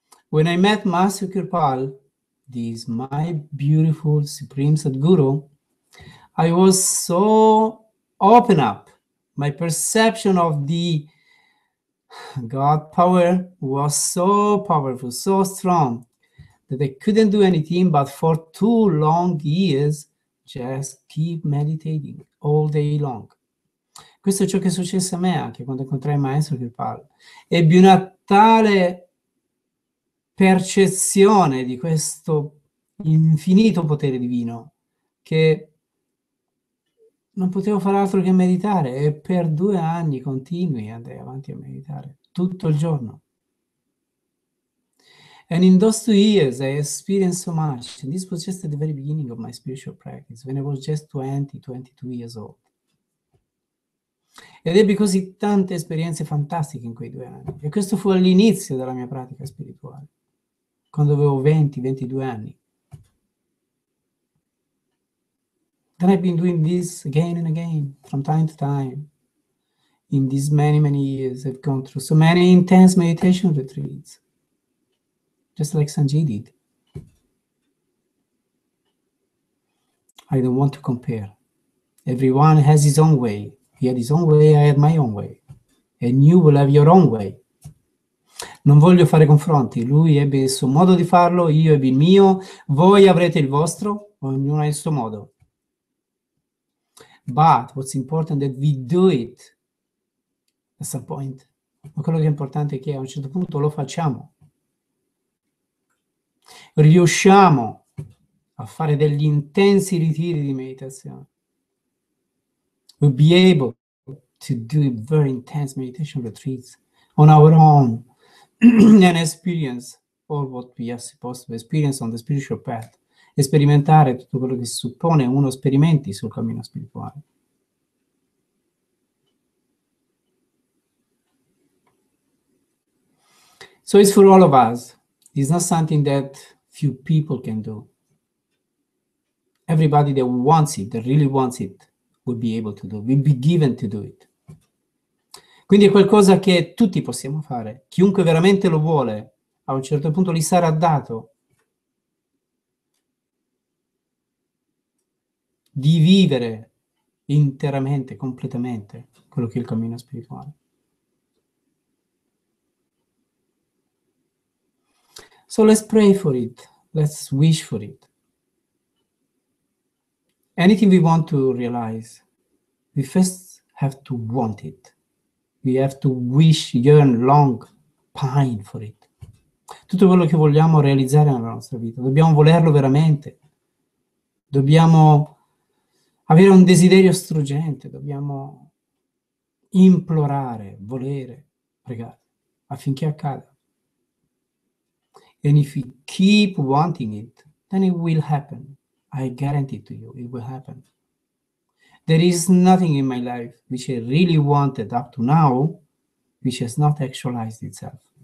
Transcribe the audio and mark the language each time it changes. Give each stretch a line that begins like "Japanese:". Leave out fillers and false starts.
English: When I met Master Kirpal, this my beautiful supreme Sadguru, I was so open up. My perception of the God power was so powerful, so strong, that I couldn't do anything but for 2 long years just keep meditating all day long.
Italian: Questo è ciò che successe a me anche quando incontrai il maestro che parla. Ebbi una tale percezione di questo infinito potere divino che non potevo fare altro che meditare, e per 2 anni continui andai avanti a meditare tutto il giorno.
English: And in those 2 years I experienced so much, and this was just at the very beginning of my spiritual practice when I was just 22 years old.
Italian: Ed ebbi così tante esperienze fantastiche in quei 2 anni, e questo fu all'inizio della mia pratica spirituale, quando avevo 20-22 anni.
English: Then I've been doing this again and again, from time to time. In these many, many years, I've gone through so many intense meditation retreats, just like Sanji did. I don't want to compare. Everyone has his own way. He had his own way, I had my own way. And you will have your own way.
Italian: Non voglio fare confronti, lui ebbe il suo modo di farlo, io ebbe il mio, voi avrete il vostro, ognuno ha il suo modo.
English: But what's important is that we do it at some point.
Italian: Ma quello che è importante è che a un certo punto lo facciamo. Riusciamo a fare degli intensi ritiri di meditazione.
English: We'll be able to do very intense meditation retreats on our own. And experience all what we are supposed to experience on the spiritual path.
Italian: Sperimentare tutto quello che si suppone uno sperimenti sul cammino spirituale.
English: So it's for all of us. It's not something that few people can do. Everybody that wants it, that really wants it, will be able to do, will be given to do it.
Italian: Quindi è qualcosa che tutti possiamo fare. Chiunque veramente lo vuole, a un certo punto gli sarà dato di vivere interamente, completamente, quello che è il cammino spirituale.
English: So let's pray for it. Let's wish for it. Anything we want to realize, we first have to want it. We have to wish, yearn, long, pine for it.
Italian: Tutto quello che vogliamo realizzare nella nostra vita, dobbiamo volerlo veramente. Dobbiamo avere un desiderio struggente, dobbiamo implorare, volere, pregare, affinché accada.
English: And if we keep wanting it, then it will happen. I guarantee to you, it will happen. There is nothing in my life which I really wanted up to now, which has not actualized itself.